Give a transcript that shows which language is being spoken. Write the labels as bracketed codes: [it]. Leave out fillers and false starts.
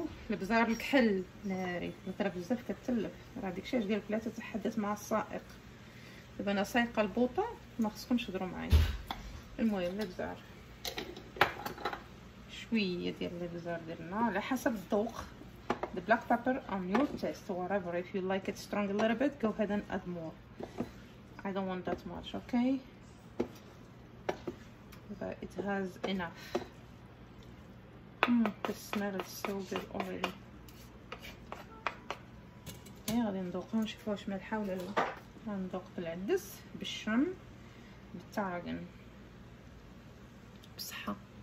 [ar] البزار الكحل ناري. ترى بزاف كتلف. راه هاديك الشاش ديالك لا تتحدث مع السائق. دابا أنا سايقة البوطة ما خصكمش تهضرو معايا. المهم البزار. شوية ديال البزار درنا على حسب الذوق. [en] The black pepper on your taste or whatever. If you like it strong a little bit, go ahead and add more. I don't want that much, okay? But it has enough. The smell is so good already. Okay, [ar] غادي ندوقو نشوفو واش ملحة ولا لا. غندوق بالعدس بالشرم بالتعاقن بصحة.